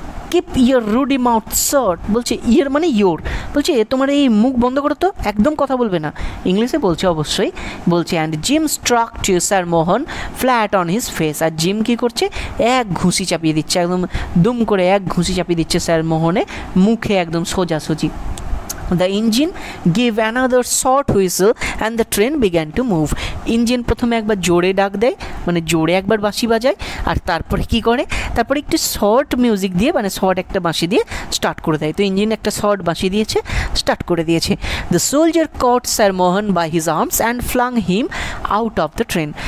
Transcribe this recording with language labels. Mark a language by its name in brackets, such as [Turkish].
[English] keep yer ruddy mouth shut, [Bangla] বলছে ইয়ার মানে your, বলছে তোমার এই মুখ বন্ধ করো তো, একদম কথা বলবে না, ইংলিশে বলছে অবশ্যই, বলছে [English] and Jim struck to sir Mohan flat on his face, [Bangla] আর gym কী করছে, এক ঘুষি চাপিয়ে দিচ্ছে, একদম দুম করে এক ঘুষি চাপিয়ে দিচ্ছে স্যার মোহনে মুখে একদম সোজাসুজি। [English] The engine gave another short whistle and the train began to move. [Bangla] Engine প্রথমে একবার জোরে ডাক দেয়, মানে জোরে একবার বাঁশি বাজায়, আর তারপরে কি করে, তারপরে একটু শর্ট মিউজিক দিয়ে, মানে শর্ট একটা বাঁশি দিয়ে স্টার্ট করে দেয়। তো ইঞ্জিন একটা শর্ট বাঁশি দিয়েছে, স্টার্ট করে দিয়েছে। [English] The soldier caught sir Mohan by his arms and flung him out of the train.